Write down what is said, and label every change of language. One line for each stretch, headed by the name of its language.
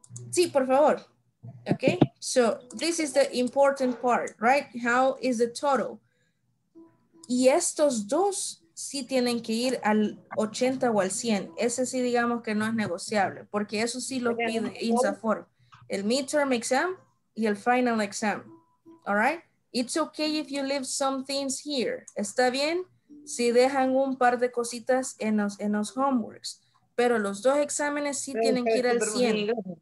Spanish: Sí, por favor.
English: Okay. So this is the important part, right? How is the total?
Spanish: Y estos dos sí tienen que ir al 80 o al 100. Ese sí, digamos que no es negociable, porque eso sí lo pide INSAFORP. El midterm exam y el final exam.
English: All right? It's okay if you leave some things here.
Spanish: Está bien si dejan un par de cositas en los homeworks. Pero los dos exámenes sí tienen que ir al 100.